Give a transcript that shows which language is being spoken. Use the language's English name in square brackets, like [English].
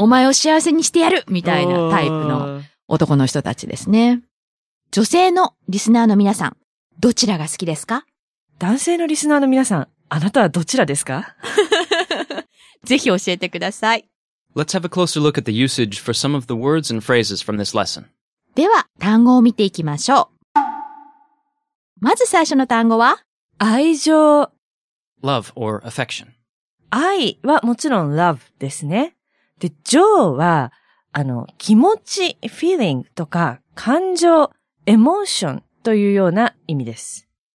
[Japanese] お前を幸せにしてやるみたいなタイプの男の人たちですね。女性のリスナーの皆さん、どちらが好きですか? 男性のリスナーの皆さん、あなたはどちらですか? ぜひ教えてください。 [English] Let's have a closer look at the usage for some of the words and phrases from this lesson. [Japanese] では、単語を見ていきましょう。まず最初の単語は、愛情。 [English] Love or affection. [Japanese] 愛はもちろん love ですね。で、情は、気持ち、feeling とか、感情、emotion というような意味です。